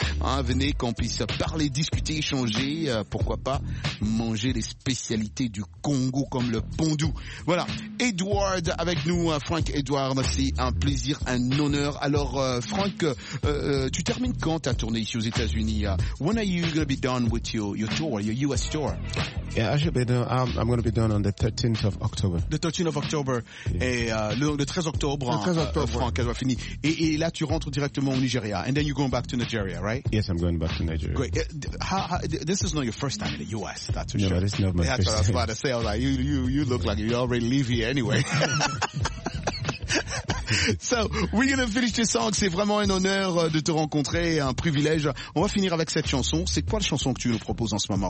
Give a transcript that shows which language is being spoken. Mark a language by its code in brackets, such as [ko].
[fr] Hein, venez qu'on puisse parler, discuter, échanger. Pourquoi pas manger les spécialités du Congo comme le pondou. Voilà. Edward avec nous, Frank Edward. Merci. aussi un plaisir, un honneur. Alors, Franck, tu termines quand ta tournée ici aux États-Unis? [en] When are you going to be done with your tour, your US tour? Yeah, I should be done. I'm going to be done on the 13th of October. The 13th of October. Yeah. [fr] Et le 13 octobre. Le 13 octobre. Franck, elle va finir. Et là, tu rentres directement au Nigeria. [en] And then you're going back to Nigeria, right? Yes, I'm going back to Nigeria. Great. This is not your first time in the US, that's for no, sure. No, this is not my first time. That's what I was about to say. I was like, you look like you already live here anyway. So, we're going to finish this song. [fr] C'est vraiment un honneur de te rencontrer, un privilège. On va finir avec cette chanson. C'est quoi la chanson que tu nous proposes en ce moment?